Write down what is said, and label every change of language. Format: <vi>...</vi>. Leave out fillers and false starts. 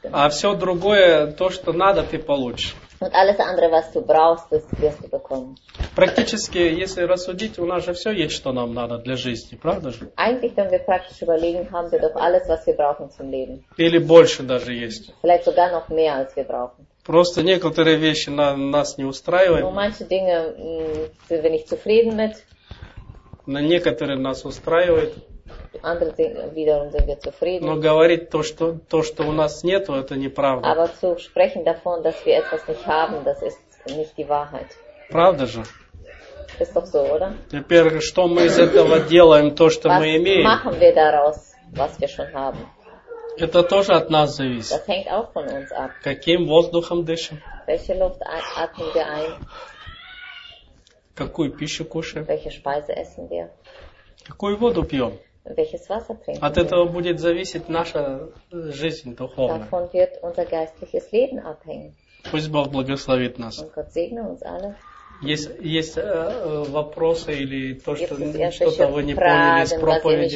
<ru>А все другое, то, что надо, ты получишь.</ru> <de>Und alles andere, was du brauchst, das wirst du bekommen.</de> <ru>Практически, если рассудить, у нас же все есть, что нам надо для жизни, правда же?</ru> <de>Eigentlich, wenn wir praktisch überlegen, haben wir doch alles, was wir brauchen zum Leben.</de> <ru>Или больше даже есть.</ru> <de>Vielleicht sogar noch mehr, als wir brauchen.</de> <ru>Просто некоторые вещи нас не устраивают.</ru> <de>Nur manche Dinge sind wir nicht zufrieden mit.</de> <ru>На некоторые нас устраивают.</ru> <de>Andere Dinge wiederum sind wir zufrieden.</de> <ru>Но говорить то, что у нас нету, это неправда.</ru> <de>Aber zu sprechen davon, dass wir etwas nicht haben, das ist nicht die Wahrheit.</de> <ru>Правда же?</ru> <de>Ist doch so, oder?</de> <ru>Теперь, что мы из этого делаем, то, что мы имеем?</ru> <de>Was machen wir daraus, was wir schon haben?</de> <ru>Это тоже от нас зависит.</ru> <de>Das hängt auch von uns ab.</de> <ru>Каким воздухом дышим?</ru> <de>Welche Luft atmen wir ein?</de> <ru>Какую пищу кушаем?</ru> <de>Welche Speise essen wir?</de> <ru>Какую воду пьем?</ru> <de>Welches Wasser trinken</de> <ru>От этого</ru> <de>wir?</de> <ru>Будет зависеть наша жизнь духовная.</ru> <de>Davon wird unser geistliches Leben abhängen.</de> <ru>Пусть Бог благословит нас.</ru> <de>Und Gott segne uns alle.</de> <ru>Есть вопросы или то, что-то вы не поняли из проповеди?</ru>